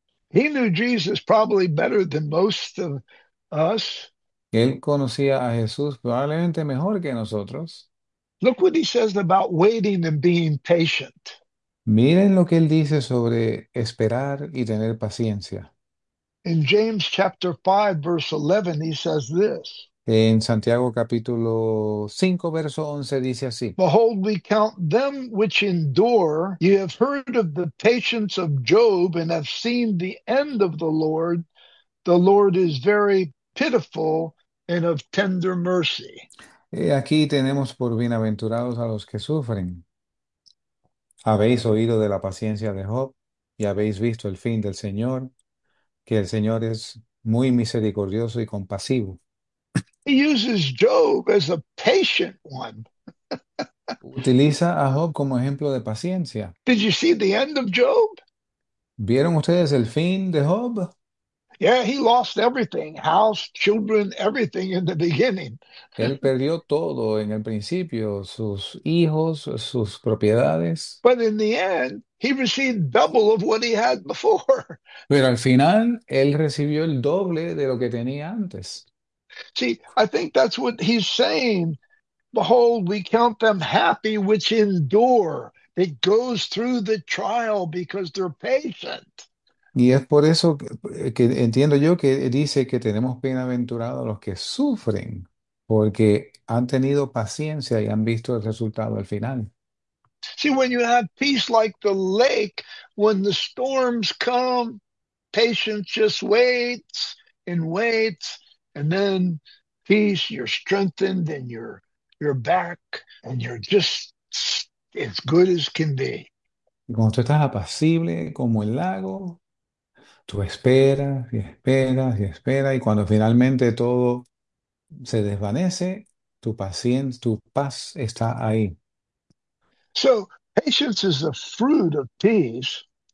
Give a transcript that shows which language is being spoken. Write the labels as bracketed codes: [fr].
[en] He knew Jesus probably better than most of us. [es] Él conocía a Jesús probablemente mejor que nosotros. [en] Look what he says about waiting and being patient. [es] Miren lo que él dice sobre esperar y tener paciencia. [en] In James chapter 5, verse 11, he says this. [es] En Santiago capítulo 5, verso 11 dice así. [en] Behold, we count them which endure. You have heard of the patience of Job and have seen the end of the Lord. The Lord is very pitiful and of tender mercy. [es] Aquí tenemos por bienaventurados a los que sufren. Habéis oído de la paciencia de Job y habéis visto el fin del Señor, que el Señor es muy misericordioso y compasivo. [en] He uses Job as a patient one. [es] Utiliza a Job como ejemplo de paciencia. [en] You see the end of Job? [es] ¿Vieron ustedes el fin de Job? [en] Yeah, he lost everything, house, children, everything in the beginning. [es] Él perdió todo en el principio, sus hijos, sus propiedades. [en] But in the end, he received double of what he had before. [es] Pero al final, él recibió el doble de lo que tenía antes. [en] See, I think that's what he's saying. Behold, we count them happy which endure. It goes through the trial because they're patient. [es] Y es por eso que entiendo yo que dice que tenemos bienaventurados los que sufren, porque han tenido paciencia y han visto el resultado al final. [en] See, when you have peace like the lake, when the storms come, patience just waits and waits, and then peace, you're strengthened and you're back and you're just as good as can be. [es] Y cuando tú estás apacible como el lago, tú esperas y esperas y esperas, y cuando finalmente todo se desvanece, tu paciencia, tu paz está ahí. [en] So, patience is the fruit of peace.